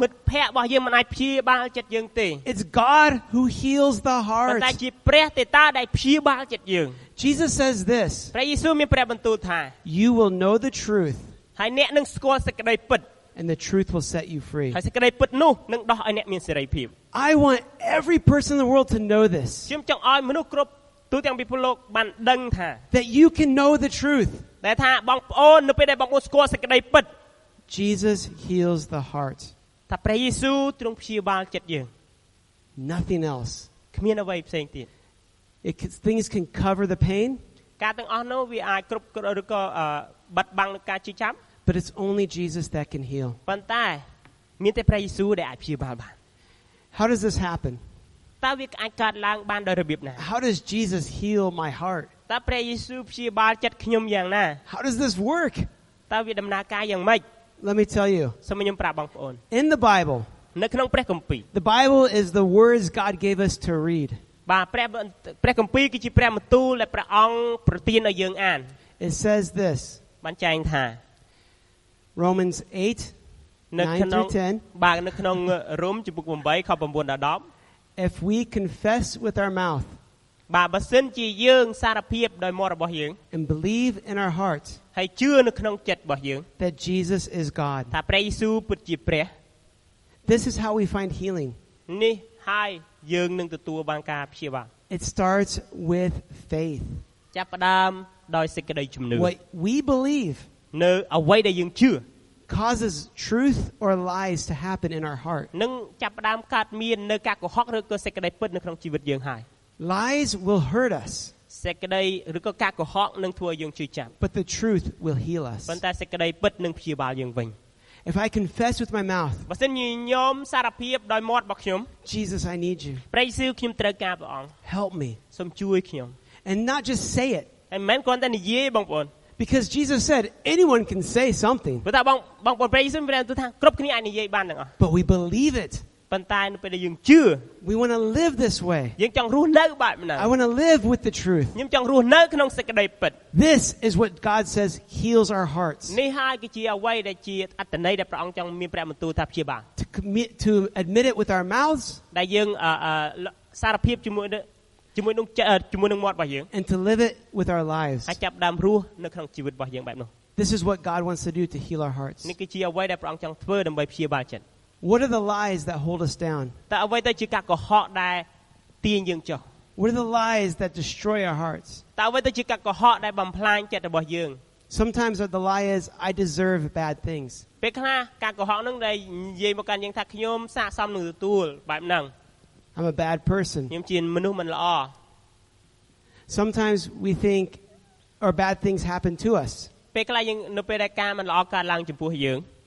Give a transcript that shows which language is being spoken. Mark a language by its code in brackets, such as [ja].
[km] មិត្តភ័ក្តិរបស់យើងមិនអាចព្យាបាលចិត្តយើងទេ [en] It's God who heals the heart [km] ប៉ុន្តែជាព្រះទេតាដែលព្យាបាលចិត្តយើង [en] Jesus says this [km] ព្រះយេស៊ូវមានព្រះបន្ទូលថា [en] You will know the truth [km] ហើយអ្នកនឹងស្គាល់សេចក្តីពិត [en] And the truth will set you free [km] ហើយសេចក្តីពិតនោះនឹងដោះឲ្យអ្នកមានសេរីភាព [en] I want every person in the world to know this [km] ខ្ញុំចង់ឲ្យមនុស្សគ្រប់ទូទាំងពិភពលោកបានដឹងថា [en] That you can know the truth [km] ដែលថាបងប្អូននៅពេលដែលបងប្អូនស្គាល់សេចក្តីពិត [en] Jesus heals the heart [km] ថាព្រះយេស៊ូវទ្រង់ព្យាបាលចិត្តយើង [en] Nothing else [km] គ្មានអ្វីផ្សេងទៀត [en] things can cover the pain [km] ការទាំងអស់នោះវាអាចគ្រប់ឬក៏បិទបាំងនឹងការជិះចាំ [en] But it's only Jesus that can heal [km] ប៉ុន្តែមានតែព្រះយេស៊ូវដែលអាចព្យាបាលបាន [en] How does this happen? [km] តើវាអាចកើតឡើងបានដោយរបៀបណា [en] How does Jesus heal my heart? [km] តើព្រះយេស៊ូវព្យាបាលចិត្តខ្ញុំយ៉ាងណា [en] How does this work? [km] តើវាដំណើរការយ៉ាងម៉េច [en] Let me tell you. [km] សូមខ្ញុំប្រាប់បងប្អូន [en] In the Bible. [km] នៅក្នុងព្រះគម្ពីរ [en] The Bible is the words God gave us to read. [km] បាទព្រះគម្ពីរគឺជាព្រះបន្ទូលដែលព្រះអង្គប្រទានឲ្យយើងអាន [en] It says this. [km] បានចែងថា [en] Romans 8 9-10. [km] បាទនៅក្នុងរ៉ូមជំពូក8ខ9ដល់10 [en] If we confess with our mouth [km] បាទបើសិនជាយើងសារភាពដោយមាត់របស់យើង [en] and believe in our heart [km] ហើយជឿនៅក្នុងចិត្តរបស់យើង [en] that Jesus is God [km] ថាព្រះយេស៊ូវពិតជាព្រះ [en] this is how we find healing [km] នេះហើយយើងនឹងទទួលបានការព្យាបាល [en] it starts with faith [km] ចាប់ផ្ដើមដោយសេចក្តីជំនឿ [en] what we believe [km] នៅអ្វីដែលយើងជឿ [en] causes truth or lies to happen in our heart [km] នឹងចាប់ផ្ដើមកើតមាននៅការកុហកឬក៏សេចក្តីពិតនៅក្នុងជីវិតយើងហើយ [en] lies will hurt us [km] សេចក្តីឬក៏ការកុហកនឹងធ្វើឲ្យយើងឈឺចាប់ [en] but the truth will heal us [km] ប៉ុន្តែសេចក្តីពិតនឹងព្យាបាលយើងវិញ [en] if I confess with my mouth [km] បើសិនញោមសារភាពដោយមាត់របស់ខ្ញុំ [en] Jesus I need you [km] ព្រះយេស៊ូវខ្ញុំត្រូវការព្រះអង្គ [en] help me [km] សូមជួយខ្ញុំ [en] and not just say it [km] ហើយមិនគ្រាន់តែនិយាយបងប្អូន [en] Because Jesus said anyone can say something. [km] But បងប្រយ័ត្នព្រះទូថាគ្រប់គ្នាអាចនិយាយបានទាំងអស់ [en] But we believe it. [km] ប៉ុន្តែនៅពេលដែលយើងជឿ [en] We want to live this way. [km] យើងចង់រស់នៅបែបនោះ [en] I want to live with the truth. [km] ខ្ញុំចង់រស់នៅក្នុងសេចក្តីពិត [en] This is what God says heals our hearts. [km] នេះហើយគឺជាអ្វីដែលជាអត្តន័យដែលព្រះអង្គចង់មានព្រះបន្ទូលថាព្យាបាល [en] To admit it with our mouths. [km] ដែលយើងសារភាពជាមួយនឹងមាត់របស់យើង [en] And to live it with our lives [km] ហើយចាប់ដើមរស់នៅក្នុងជីវិតរបស់យើងបែបនោះ [en] This is what God wants to do to heal our hearts [km] នេះគឺជាអ្វីដែលព្រះអង្គចង់ធ្វើដើម្បីព្យាបាលចិត្ត [en] What are the lies that hold us down [km] តើអ្វីដែលជាការកុហកដែលទាញយើងចុះ [en] What are the lies that destroy our hearts [km] តើអ្វីដែលជាការកុហកដែលបំផ្លាញចិត្តរបស់យើង [en] Sometimes the lie is I deserve bad things [km] ពេលខ្លះការកុហកនឹងនិយាយមកកាន់យើងថាខ្ញុំស័ក្តិសមនឹងទទួលបែបហ្នឹង [en] I'm a bad person. [km] ខ្ញុំជាមនុស្សមិនល្អ [en] Sometimes we think our bad things happen to us. [km] ពេលខ្លះយើងនៅពេលដែលការមិនល្អកើតឡើងចំពោះយើង